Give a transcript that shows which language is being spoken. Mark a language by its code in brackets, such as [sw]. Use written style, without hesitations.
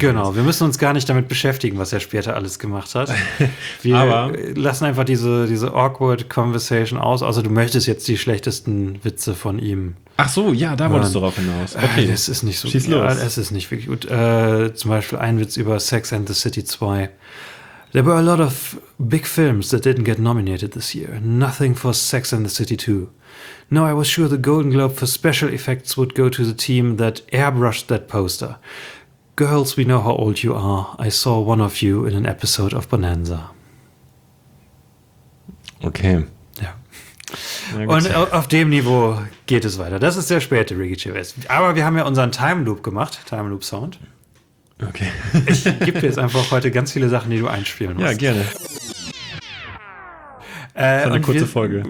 [de] Genau, wir müssen uns gar nicht damit beschäftigen, was er später alles gemacht hat. Wir aber lassen einfach diese [en] awkward conversation [de] aus, außer du möchtest jetzt die schlechtesten Witze von ihm. Ach so, ja, da wolltest du drauf hinaus. Okay. Das ist nicht so. Schieß los. Ja, es ist nicht wirklich gut. Zum Beispiel ein Witz über Sex and the City 2. [en] There were a lot of big films that didn't get nominated this year. Nothing for Sex and the City 2. No, I was sure the Golden Globe for special effects would go to the team that airbrushed that poster. Girls, we know how old you are. I saw one of you in an episode of Bonanza. [de] Okay. Ja. Und auf dem Niveau geht es weiter. Das ist der späte Ricky Gervais. Aber wir haben ja unseren Time Loop gemacht. Time Loop Sound. Okay. Ich gebe dir jetzt einfach heute ganz viele Sachen, die du einspielen musst. Ja, gerne. Eine kurze Folge.